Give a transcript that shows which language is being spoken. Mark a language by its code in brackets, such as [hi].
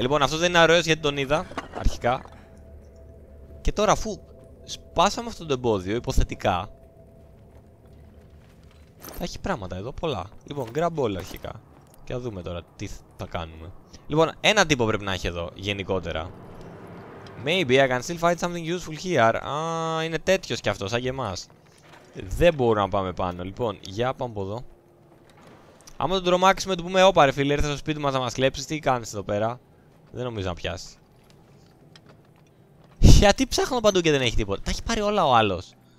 [el] Λοιπόν, αυτός δεν είναι αρρώος γιατί τον είδα αρχικά. Και τώρα αφού σπάσαμε αυτό το εμπόδιο, υποθετικά. Θα έχει πράγματα εδώ, πολλά. Λοιπόν, grab all αρχικά. Και θα δούμε τώρα τι θα κάνουμε. Λοιπόν, ένα τύπο πρέπει να έχει εδώ, γενικότερα. [en] Maybe I can still find something useful here. [el] Α, είναι τέτοιος κι αυτός, σαν και εμάς. Δεν μπορούμε να πάμε πάνω. Λοιπόν, για πάμε από εδώ. Άμα τον τρομάξουμε, του πούμε, όπα ρε φίλε, ήρθε στο σπίτι μας να μας κλέψεις. Τι κάνεις εδώ πέρα. Δεν νομίζω να πιάσει. Γιατί ψάχνω παντού και δεν έχει τίποτα. Τα έχει πάρει όλα ο άλλος.